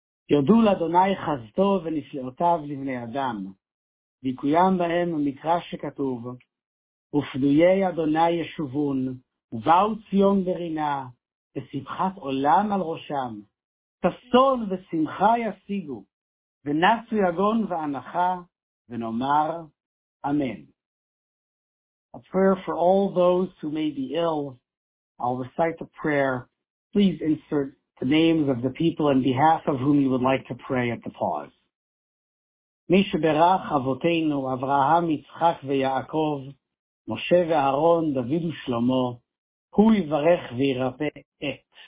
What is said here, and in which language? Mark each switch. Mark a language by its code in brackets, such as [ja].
[he] יודו לאדוני חסדו ונפלאותיו לבני אדם, ויקוים בהם המקרא שכתוב, ופדויי אדוני ישובון, ובאו ציון ברינה, ושמחת עולם על ראשם. ששון ושמחה ישיגו, ונסו יגון ואנחה, ונאמר אמן. [en] A prayer for all those who may be ill. I'll recite the prayer. Please insert the names of the people in behalf of whom you would like to pray at the pause. [he] מי שברך אבותינו, אברהם, יצחק ויעקב, משה ואהרון, דוד ושלמה, הוא יברך וירפא את.